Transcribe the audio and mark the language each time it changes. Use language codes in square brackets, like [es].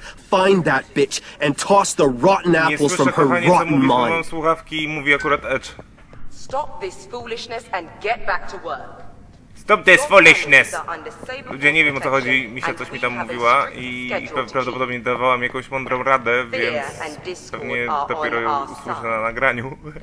[en] Find that bitch and toss the rotten apples from her rotten mind. [pl] Nie słyszę, kochanie, co mówi, słuchawki, mówi akurat Edge. [en] Stop this foolishness and get back to work. Stop this foolishness! [pl] Ludzie, nie wiem, o co chodzi, Misia coś mi tam mówiła i prawdopodobnie dawała mi jakąś mądrą radę, więc pewnie dopiero ją usłyszę na nagraniu.